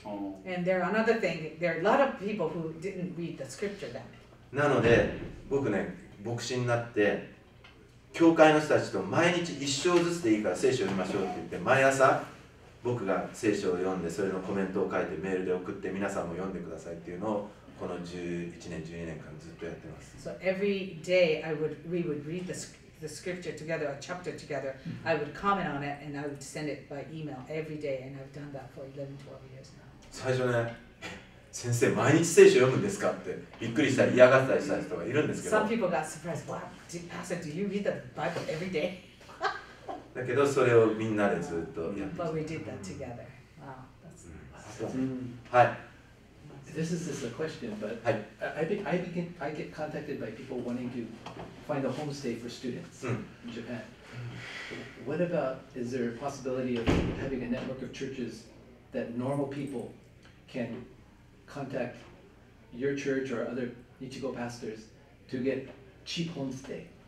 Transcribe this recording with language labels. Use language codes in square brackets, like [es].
[en] And there are another thing. There are a lot of people who didn't read the scripture that. [ja] なので僕ね牧師になって教会の人たちと毎日一章ずつでいいから聖書を読みましょうって言って毎朝僕が聖書を読んでそれのコメントを書いてメールで送って皆さんも読んでくださいっていうのをこの11年12年間ずっとやってます。 [en] So every day I would, we would read the scripture together, a chapter together. I would comment on it and I would send it by email every day and I've done that for 11, 12 years now. [ja] 最初ね先生毎日聖書読むんですかってびっくりしたり嫌がったりした人がいるんですけど。 [en] Some people got surprised. Wow, Pastor, do you read the Bible every day? [ja] だけどそれをみんなでずっとやって [en] た。But we did that together. Wow, that's awesome. はい。 This is just a question, but I get contacted by people wanting to find a homestay for students in Japan. What about is there a possibility of having a network of churches that normal people can contact your church or other Ichigo pastors to get cheap homestay.